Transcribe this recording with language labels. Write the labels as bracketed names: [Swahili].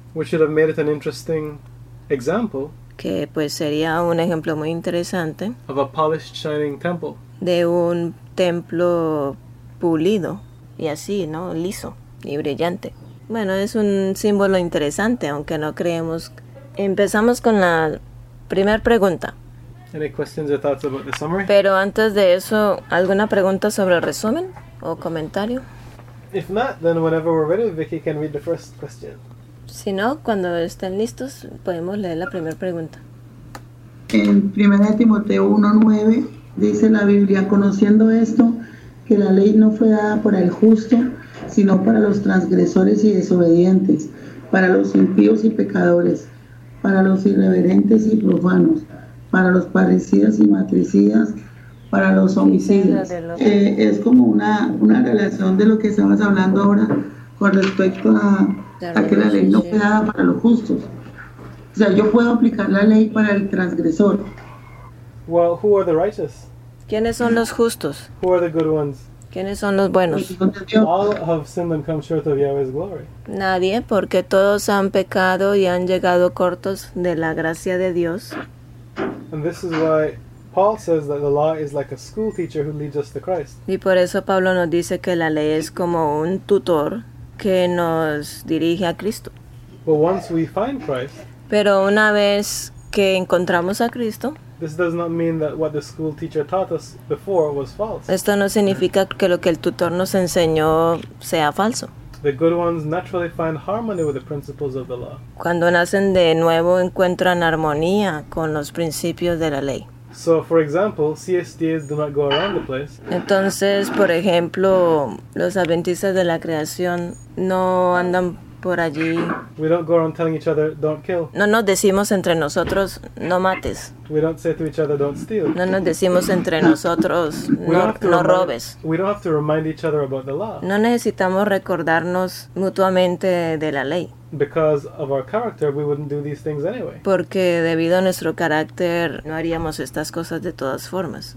[English] Which should have made it an interesting example. [Spanish] Que pues sería un ejemplo muy interesante. [English] Of a polished, shining temple. [Spanish] De un templo pulido y así, ¿no? Liso y brillante. Bueno, es un símbolo interesante, aunque no creemos. Empezamos con la primera pregunta. [English] Any questions or thoughts about the summary? [Spanish] Pero antes de eso, ¿alguna pregunta sobre el resumen o comentario? [English] If not, then whenever we're ready, Vicky can read the first question. [Spanish] Si no, cuando estén listos, podemos leer la primera pregunta. En 1 Timoteo 1:9 dice la Biblia, conociendo esto, que la ley no fue dada para el justo, sino para los transgresores y desobedientes, para los impíos y pecadores, para los irreverentes y profanos, para los parricidas y matricidas, para los homicidas. Es como una relación de lo que estabas hablando ahora con respecto a que la ley no fue dada para los justos. O sea, yo puedo aplicar la ley para el transgresor. [English] Well, who are the righteous? [Spanish] ¿Quiénes son los justos? [English] Who are the good ones? [Spanish] ¿Quiénes son los buenos? [English] All have sinned and come short of Yahweh's glory. [Spanish] Nadie, porque todos han pecado y han llegado cortos de la gracia de Dios. [English] And this is why Paul says that the law is like a school teacher who leads us to Christ. [Spanish] Y por eso Pablo nos dice que la ley es como un tutor que nos dirige a Cristo. [English] But once we find Christ, [Spanish] pero una vez que encontramos a Cristo, [English] this does not mean that what the school teacher taught us before was false. [Spanish] Esto no significa que lo que el tutor nos enseñó sea falso. [English] The good ones naturally find harmony with the principles of the law. [Spanish] Cuando nacen de nuevo encuentran armonía con los principios de la ley. [English] So, for example, CSDAs do not go around the place. [Spanish] Entonces, por ejemplo, los adventistas de la creación no andan por allí. [English] We don't go around telling each other, don't kill. [Spanish] No nos decimos entre nosotros, no mates. [English] We don't say to each other, don't steal. [Spanish] No nos decimos entre nosotros, no robes. [English] We don't have to remind each other about the law. [Spanish] No necesitamos recordarnos mutuamente de la ley. [English] Because of our character, we wouldn't do these things anyway. [Spanish] Porque debido a nuestro carácter, no haríamos estas cosas de todas formas.